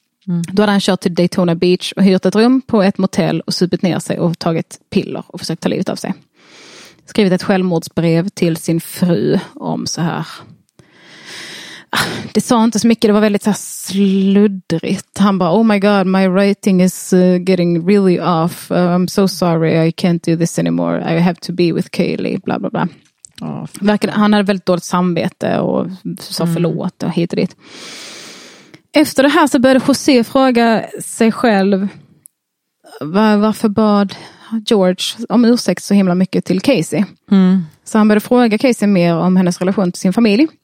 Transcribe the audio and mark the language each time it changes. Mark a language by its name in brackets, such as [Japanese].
[Swedish] Mm. Då hade han kört till Daytona Beach och hyrt ett rum på ett motell och supit ner sig och tagit piller och försökt ta livet av sig. Skrivit ett självmordsbrev till sin fru om så här. Det sa inte så mycket, det var väldigt så här sluddrigt. Han bara, [English] oh my god, my writing is getting really off. I'm so sorry, I can't do this anymore. I have to be with Kaylee, bla bla bla. [Swedish] Han hade väldigt dåligt samvete och sa förlåt och hit och dit. Efter det här så började José fråga sig själv varför bad George om ursäkt så himla mycket till Casey. Mm. Så han började fråga Casey mer om hennes relation till sin familj.